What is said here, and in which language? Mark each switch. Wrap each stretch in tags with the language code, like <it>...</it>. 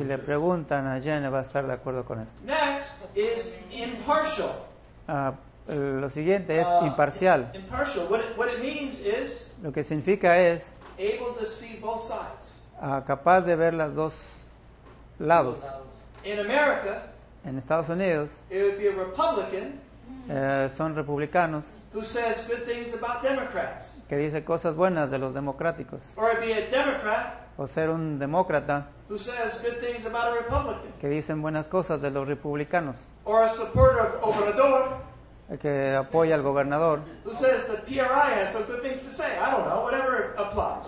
<es>Si le preguntan a Jen, va a estar de acuerdo con esto.</es> <en>Next is impartial.</en> <es>Lo siguiente es imparcial.</es> <en>Impartial. What it means is.</en> <es>Lo que significa es.</es> <en>Able to see both sides.</en> <es>Capaz de ver las dos lados.</es> <en>In America.</en> <es>En Estados Unidos.</es> <en>It would be a Republican.</en> <es>Son republicanos.</es> <en>Who says good things about Democrats.</en> <es>Que dice cosas buenas de los democráticos.</es> <en>Or be a Democrat.</en> <es>O ser un demócrata.</es> <en>Who says good things about a Republican.</en> <es>Que dicen buenas cosas de los republicanos.</es> <en>Or a supporter of Obrador.</en> <es>Que apoya al gobernador.</es> <en>Who says the PRI has some good things to say. I don't know, whatever applies.</en>